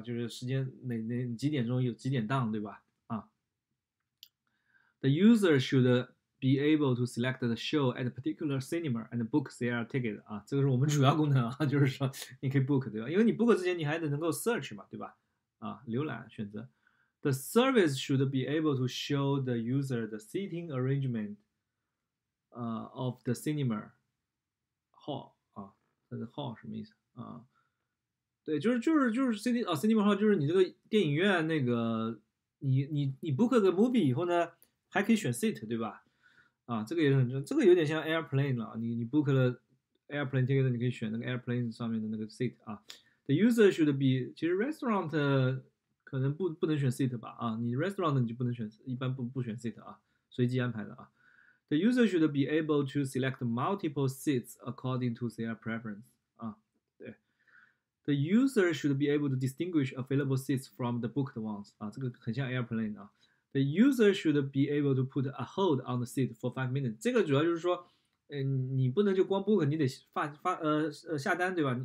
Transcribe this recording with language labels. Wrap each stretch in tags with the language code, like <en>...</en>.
<zh>就是时间哪几点钟有几点档，对吧？</zh> <en>The user should be able to select the show at a particular cinema and book their ticket。</en> <zh>啊，这个是我们主要功能啊，就是说你可以 book，对吧？因为你 book 之前你还得能够 search 嘛，对吧？浏览选择。</zh> <en>The service should be able to show the user the seating arrangement，of the cinema hall。</en> <zh>这个 hall 什么意思啊？对，就是 city 啊，cinema hall 就是你这个电影院那个，你 book 个 movie 以后呢，还可以选 seat 对吧？这个也很重要，这个有点像 airplane 了。你 book 了 airplane ticket，你可以选那个 airplane 上面的那个 seat 啊。</zh> <en>The user should be，</en> <zh>其实 restaurant 可能不能选 seat 吧？你 restaurant 你就不能选，一般不选 seat 啊，随机安排的啊。</zh> <en>The user should be able to select multiple seats according to their preference. The user should be able to distinguish available seats from the booked ones.</en> <zh>这个很像 airplane 啊。</zh> <en>The user should be able to put a hold on the seat for 5 minutes.</en> <zh>这个主要就是说，你不能就光 book， 你得下单，对吧？</zh>